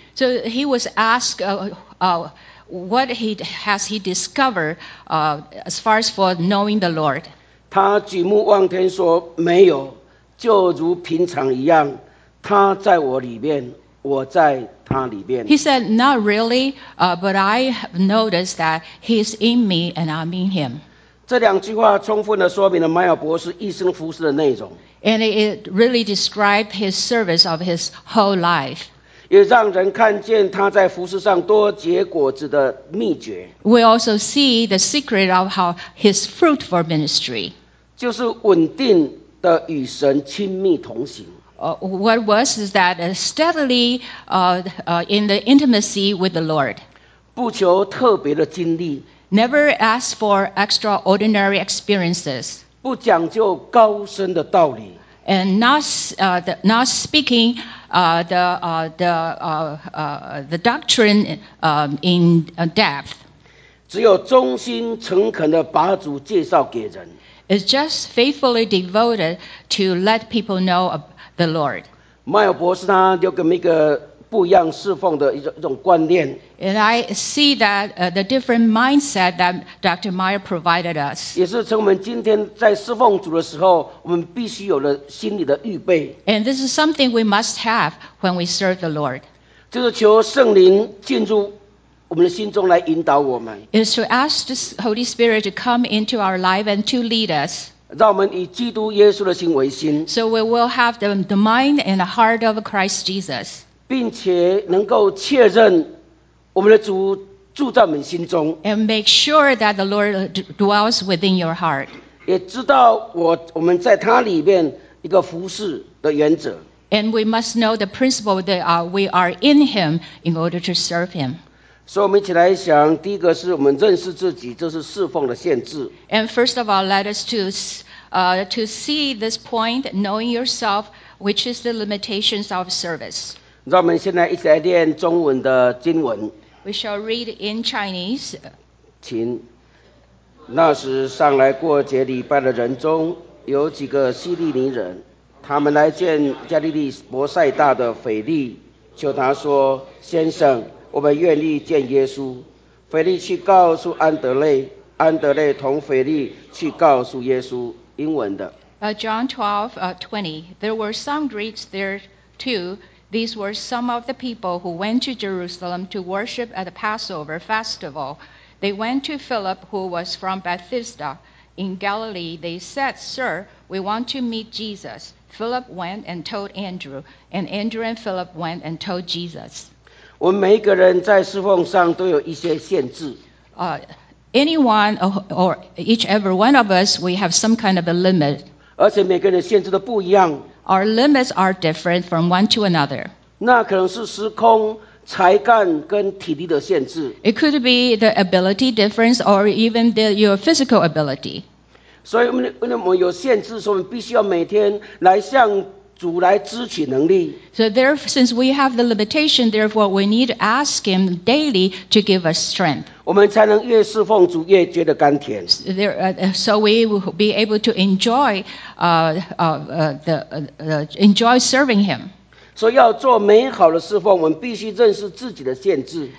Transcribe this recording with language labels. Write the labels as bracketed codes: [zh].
[en] ？So he was asked. What has he discovered as far as for knowing the Lord? [zh] 他举目望天说没有，就如平常一样，他在我里面，我在他里面。 [en] He said, not really, but I have noticed that he's in me and I'm in him. [zh] 这两句话充分地说明了麦尔博士一生服事的内容。 [en] And it really described his service of his whole life. [zh] 也让人看见他在服事上多结果子的秘诀。 [en] We also see the secret of how his fruitful ministry. [zh] 就是稳定的与神亲密同行。 [en] What was is that steadily in the intimacy with the Lord. [zh] 不求特别的经历。 [en] Never ask for extraordinary experiences. [zh] 不讲究高深的道理。 [en] And not speaking the doctrine in depth. [zh] 只有忠心诚恳地把主介绍给人。 [en] It's just faithfully devoted to let people know of the Lord. [zh] 麦尔博士他留给我们一个不一样侍奉的一种观念。 [en] And I see that the different mindset that Dr. Meyer provided us. [zh] 也是成我们今天在侍奉主的时候，我们必须有的心理的预备。 [en] And this is something we must have when we serve the Lord. [zh] 就是求圣灵进入我们的心中来引导我们。 [en] It is to ask the Holy Spirit to come into our life and to lead us. [zh] 让我们以基督耶稣的心为心。 [en] So we will have the mind and the heart of Christ Jesus. [zh] 并且能够确认我们的主住在我们心中 [en] ，and make sure that the Lord dwells within your heart。 [zh] 也知道我们在他里面一个服事的原则 [en] ，and we must know the principle that we are in Him in order to serve Him。 [zh] 所以，我们一起来想，第一个是我们认识自己，这是侍奉的限制。 [en] And first of all, let us to see this point, knowing yourself, which is the limitations of service. [zh] 让我们现在一起来念中文的经文。 [en] We shall read in Chinese. [zh] 请。那时上来过节礼拜的人中，有几个希利尼人，他们来见加利利伯塞大的腓力，求他说：“先生，我们愿意见耶稣。” 腓力去告诉安德肋，安德肋同腓力去告诉耶稣。英文的。 [en] John 12:20. There were some Greeks there too. These were some of the people who went to Jerusalem to worship at the Passover festival. They went to Philip, who was from Bethsaida in Galilee. They said, Sir, we want to meet Jesus. Philip went and told Andrew, and Andrew and Philip went and told Jesus. [zh] 我们每一个人在侍奉上都有一些限制。 [en] Anyone or each every one of us, we have some kind of a limit. [zh] 而且每个人的限制都不一样。 [en] Our limits are different from one to another. [zh] 那可能是时空、才干跟体力的限制。 [en] It could be the ability difference or even your physical ability. [zh] 所以我们有限制，所以我们必须要每天来向主来支取能力。 [en] So there, since we have the limitation, therefore we need to ask Him daily to give us strength. [zh] 我们才能越侍奉主越觉得甘甜。 [en] So we will be able to enjoy serving Him. [zh] 所以要做美好的侍奉，我们必须认识自己的限制。